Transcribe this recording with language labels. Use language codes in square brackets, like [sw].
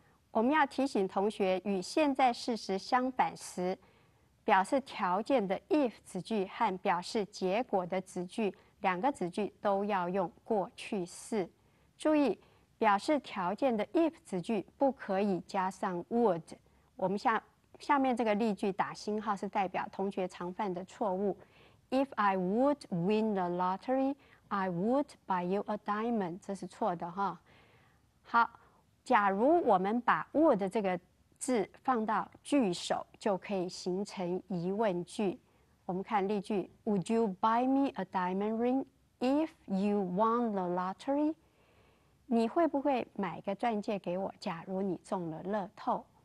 [zh] 我们要提醒同学，与现在事实相反时，表示条件的 if 子句和表示结果的子句，两个子句都要用过去式。注意，表示条件的 if 子句不可以加上 would。我们下面这个例句打星号是代表同学常犯的错误。 [en] If I would win the lottery, I would buy you a diamond。 [zh] 这是错的哈。好，假如我们把 would 这个字放到句首，就可以形成疑问句。我们看例句 [en] ：Would you buy me a diamond ring if you won the lottery？ [zh] 你会不会买个钻戒给我？假如你中了乐透。